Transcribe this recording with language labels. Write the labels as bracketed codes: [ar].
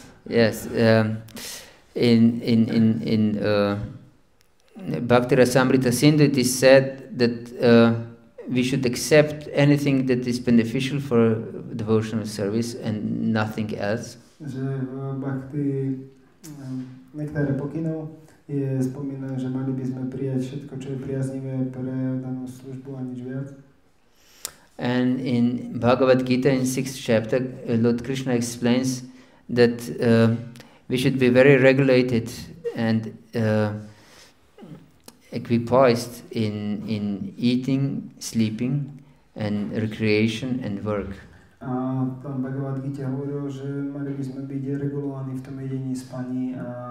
[en] Yes, in Bhakti Rasamrita Sindhu it is said that we should accept anything that is beneficial for devotional service and nothing else. [sk] Že v Bhakti Nektare pokynov je spomínané, že mali by sme prijať všetko, čo je priaznivé pre danú službu a nič viac. [en] And in Bhagavad Gita in 6th chapter Lord Krishna explains that we should be very regulated and equipoised in eating, sleeping, and recreation and work. [sk] A tam Bhagavad Gita hovoril, že mali by sme byť regulovaní v tom jedení, spaní a